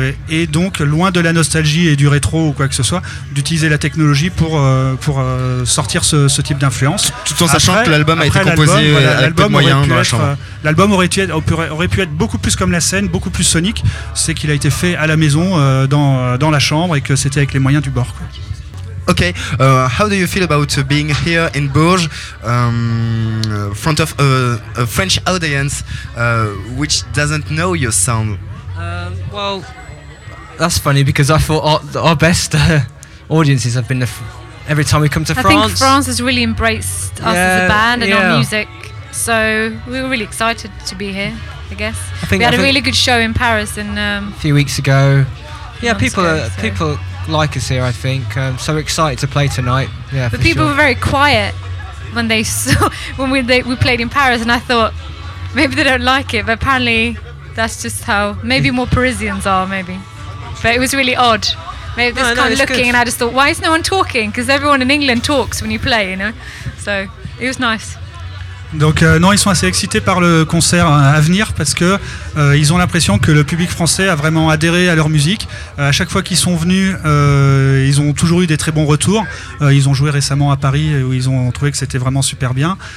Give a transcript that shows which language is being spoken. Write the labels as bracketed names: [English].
[French] Et donc, loin de la nostalgie et du rétro ou quoi que ce soit, d'utiliser la technologie pour sortir ce type d'influence. Tout en sachant que l'album a été composé avec peu de moyens dans la chambre. L'album aurait pu être beaucoup plus comme la scène, beaucoup plus sonique. C'est qu'il a été fait à la maison, dans la chambre, et que c'était avec les moyens du bord, quoi. [English] Okay, how do you feel about being here in Bourges, front of a French audience, which doesn't know your sound? Well, that's funny because I thought our best audiences have been every time we come to France. I think France has really embraced us as a band and our music, so we were really excited to be here, I guess. We had a really good show in Paris a few weeks ago. Yeah, people like us here, I think. So excited to play tonight. Yeah, but people were very quiet when they saw when we played in Paris, and I thought maybe they don't like it. But apparently, that's just how maybe more Parisians are. Maybe, but it was really odd. Maybe this kind of looking, good. And I just thought, why is no one talking? Because everyone in England talks when you play, you know. So it was nice. [French] Donc ils sont assez excités par le concert à venir parce que ils ont l'impression que le public français a vraiment adhéré à leur musique. À chaque fois qu'ils sont venus, ils ont toujours eu des très bons retours. Ils ont joué récemment à Paris où ils ont trouvé que c'était vraiment super bien.